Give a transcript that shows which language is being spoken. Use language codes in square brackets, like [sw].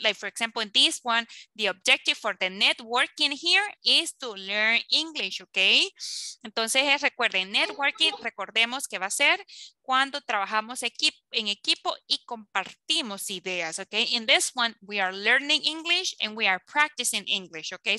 [en] Like, for example, in this one, the objective for the networking here is to learn English, ¿ok? [es] Entonces, recuerden, networking, recordemos que va a ser cuando trabajamos en equipo y compartimos ideas, okay? [en] In this one, we are learning English and we are practicing English, okay?